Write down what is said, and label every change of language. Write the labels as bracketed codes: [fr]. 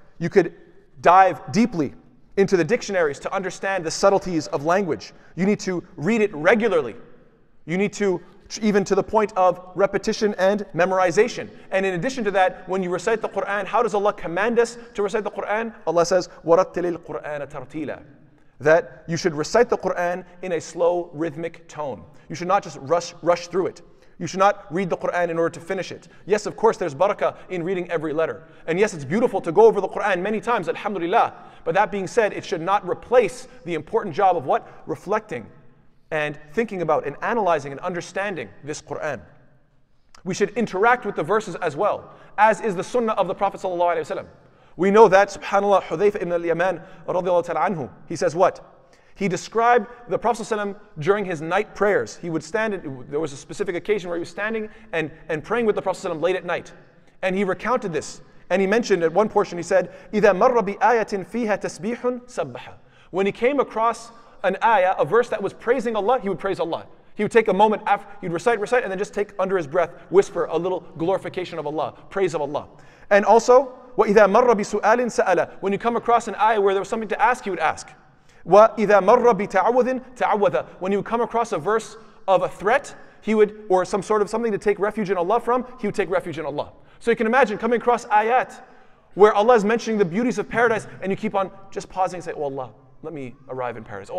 [en] You could dive deeply into the dictionaries to understand the subtleties of language. You need to read it regularly. You need to, even to the point of repetition and memorization. And in addition to that, when you recite the Qur'an, how does Allah command us to recite the Qur'an? Allah says, [ar] وَرَتِّلِ الْقُرْآنَ تَرْتِيلًا. [en] That you should recite the Qur'an in a slow, rhythmic tone. You should not just rush through it. You should not read the Qur'an in order to finish it. Yes, of course, there's barakah in reading every letter. And yes, it's beautiful to go over the Qur'an many times, alhamdulillah. But that being said, it should not replace the important job of what? Reflecting and thinking about and analyzing and understanding this Qur'an. We should interact with the verses as well, as is the sunnah of the Prophet sallallahu alayhi wa sallam. We know that, subhanAllah, Hudhayfa ibn al-Yaman radiallahu ta'ala anhu, he says what? He described the Prophet ﷺ during his night prayers. He would stand, there was a specific occasion where he was standing and praying with the Prophet ﷺ late at night. And he recounted this. And he mentioned at one portion, he said, [ar] إِذَا مَرَّ بِآيَةٍ فِيهَا تَسْبِيحٌ سَبَّحَ. [en] When he came across an ayah, a verse that was praising Allah, he would praise Allah. He would take a moment after, he'd recite, and then just take under his breath, whisper a little glorification of Allah, praise of Allah. And also, [ar] وَإِذَا مَرَّ بِسُؤَالٍ سَأَلَ. [en] When you come across an ayah where there was something to ask, he would ask. [ar] وَإِذَا مَرَّ بِتَعَوَّذٍ تَعَوَّذَ. [en] When you come across a verse of a threat, he would, or some sort of something to take refuge in Allah from, he would take refuge in Allah. So you can imagine coming across ayat where Allah is mentioning the beauties of paradise and you keep on just pausing and say, oh Allah, let me arrive in paradise.